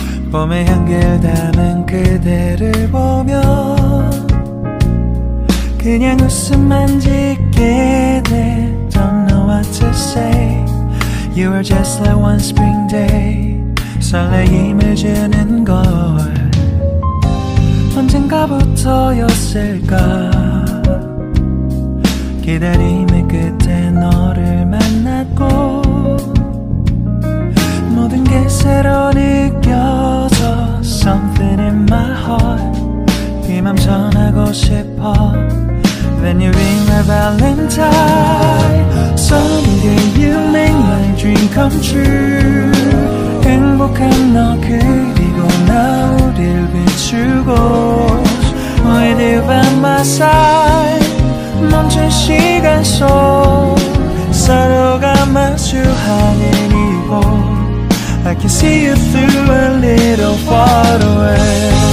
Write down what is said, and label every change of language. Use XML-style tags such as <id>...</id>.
<ko>봄의 향기를 담은 그대를 보며 그냥 웃음만 짓게 돼.</ko> <en>Don't know what to say. You are just like one spring day.</en> <ko>설레임을 주는 걸 언젠가부터였을까. 기다림의 끝에 너를 만났고 모든 게 새로 느껴져.</ko> <en>Something in my heart.</en> <ko>이 맘 전하고 싶어.</ko> <en>When you ring my valentine. Someday you'll make my dream come true.</en> <ko>행복한 너 그리고 나 우릴 비추고.</ko> <en>With you by my side.</en> <ko>멈춘 시간 속 서로가 마주하는 이곳.</ko> <en>I can see you through a little far away.</en>